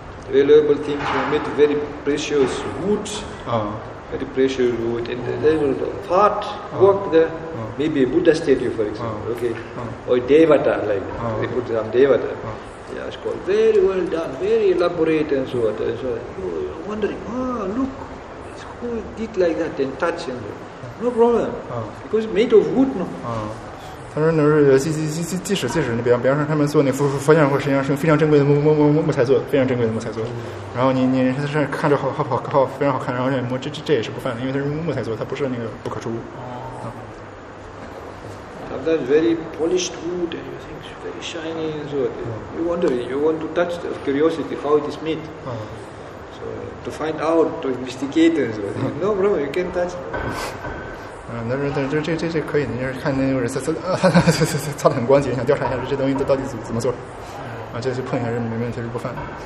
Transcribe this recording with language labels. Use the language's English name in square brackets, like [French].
[English] Valuable things were made very precious wood, very precious wood, and there was art work there, maybe a Buddha statue, for example, or Devata, like, they put some Devata. Yeah, it's called very well done, very elaborate, and so on. And so you're wondering, look, who did like that and touch him? No problem, because it's made of wood, no? [Chinese] 他说：“那是即使那比方说他们做那佛像或实际上是非常珍贵的木材做的，非常珍贵的木材做的。然后你他这看着好非常好看，然后让你摸，这也是不犯的，因为它是木材做，它不是那个不可触物。哦。 [English] Have that very polished wood and you think it's very shiny and so on. You wonder, you want to touch the curiosity how it is made. So to find out, to investigate and so on. No, bro, you can't touch.” [Chinese] 那这可以，你就是看那种人擦得很光洁，想调查一下这东西到底怎么做，这就碰一下是没问题，是不犯的。